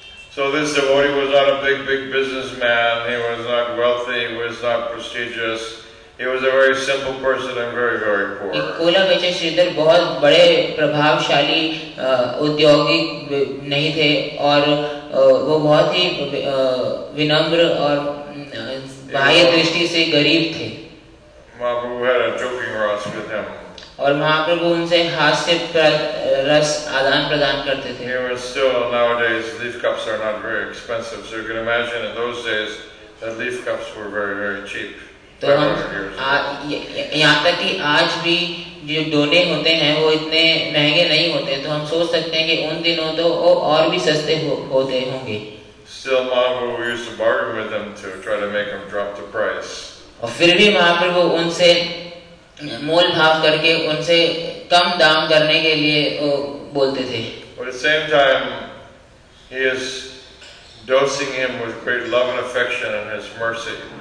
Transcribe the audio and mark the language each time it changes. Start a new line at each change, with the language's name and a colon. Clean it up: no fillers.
English: So this devotee was not a big businessman. He was not wealthy. He was not prestigious. He was a very simple person and very poor.
Hindi: Cola विजय श्रीधर बहुत बड़े प्रभावशाली उद्योगी नहीं थे, और वो बहुत ही विनम्र और बाह्य दृष्टि से गरीब थे।
English: Mahaprabhu had a joking ras with him.
Hindi: और महाप्रभु उनसे हास्य रस आदान प्रदान करते थे।
English: He was still, nowadays leaf cups are not very expensive, so you can imagine in those days that leaf cups were very cheap.
Hindi: तो हम यहाँ तक कि आज भी जो डोने होते हैं वो इतने महंगे नहीं होते, तो हम सोच सकते हैं कि उन दिनों तो वो और भी सस्ते होते होंगे।
English: Still, Mahaprabhu used to bargain with them to try to make them drop the price.
Hindi: और फिर भी महाप्रभु उनसे मोल भाव करके उनसे कम दाम करने के लिए बोलते थे।
English: But at the same time, He is dosing him with great love and affection and his mercy.